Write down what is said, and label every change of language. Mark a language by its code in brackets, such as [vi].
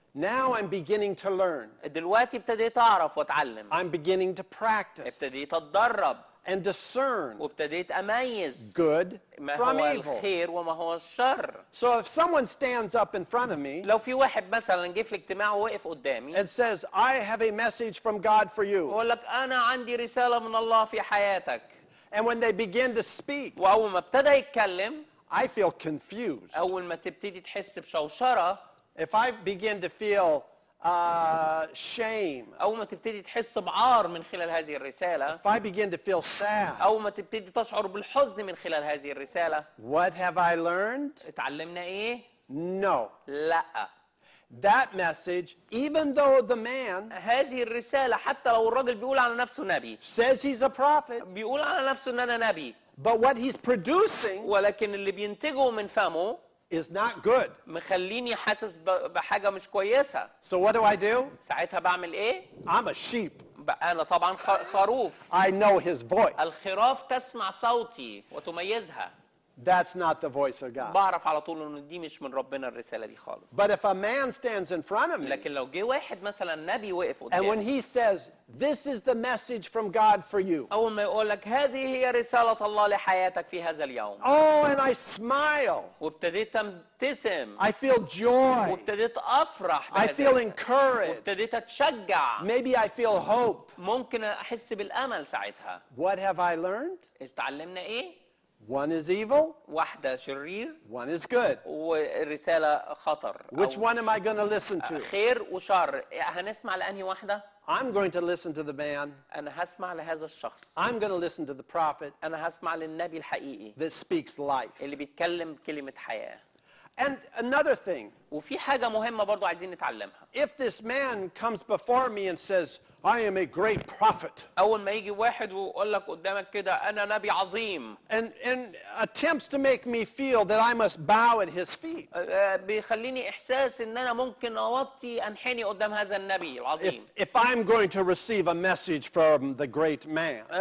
[en] Now I'm beginning to learn. [ar] دلوقتي ابتديت اعرف واتعلم. [en] I'm beginning to practice. [ar] ابتديت اتدرب. [en] And discern. [ar] وابتديت اميز. [en] Good from evil. [ar] ما هو الخير وما هو الشر. [en] So if someone stands up in front of me. [ar] لو في واحد مثلا جه في اجتماع ووقف قدامي. [en] And says, I have a message from God for you. [ar] وقال لك انا عندي رسالة من الله في حياتك. [en] And when they begin to speak. [ar] واول ما ابتدى يتكلم. [en] I feel confused. [ar] اول ما تبتدي تحس بشوشرة. [en] If I begin to feel shame. [ar] أول ما تبتدي تحس بعار من خلال هذه الرسالة. [en] If I begin to feel sad. [ar] أول ما تبتدي تشعر بالحزن من خلال هذه الرسالة. [en] What have I learned? [ar] اتعلمنا إيه؟ [en] No. [ar] لا. [en] That message, even though the man. [ar] هذه الرسالة حتى لو الرجل بيقول على نفسه نبي. [en] Says he's a prophet. [ar] بيقول على نفسه إن أنا نبي. [en] But what he's producing. [ar] ولكن اللي بينتجه من فمه. [en] Is not good. [ar] مخليني حاسس بحاجة مش كويسة. [en] So what do I do? [ar] ساعتها بعمل إيه? [en] I'm a sheep. [ar] أنا طبعا خروف. [en] I know his voice. [ar] الخراف تسمع صوتي وتميزها. [en] That's not the voice of God. [ar] بعرف على طول إن دي مش من ربنا الرسالة دي خالص. [en] But if a man stands in front of me. [ar] لكن لو جه واحد مثلا نبي وقف قدامي. [en] And when he says, "This is the message from God for you." [ar] أول ما يقول لك هذه هي رسالة الله لحياتك في هذا اليوم. [en] Oh, and I smile. [ar] وابتديت أبتسم. [en] I feel joy. [ar] وابتديت أفرح. [en] I feel encouraged. [ar] وابتديت أتشجع. [en] Maybe I feel hope. [ar] ممكن أحس بالأمل ساعتها. [en] What have I learned? [ar] اتعلمنا إيه؟ [en] One is evil. [ar] واحدة شرير. [en] One is good. [ar] والرسالة خطر. [en] Which one am I going to listen to? [ar] خير وشر. هنسمع لأنهي واحدة؟ [en] I'm going to listen to the man. [ar] أنا هسمع لهذا الشخص. [en] I'm going to listen to the prophet. [ar] أنا هسمع للنبي الحقيقي. [en] That speaks life. [ar] اللي بيتكلم كلمة حياة. [en] And another thing. [ar] وفي حاجة مهمة برضو عايزين نتعلمها. [en] If this man comes before me and says, I am a great prophet. [ar] أول ما يجي واحد ويقول لك قدامك كده أنا نبي عظيم. [en] And attempts to make me feel that I must bow at his feet. [ar] بيخليني إحساس إن أنا ممكن أوطي أنحني قدام هذا النبي العظيم. [en] If I'm going to receive a message from the great man.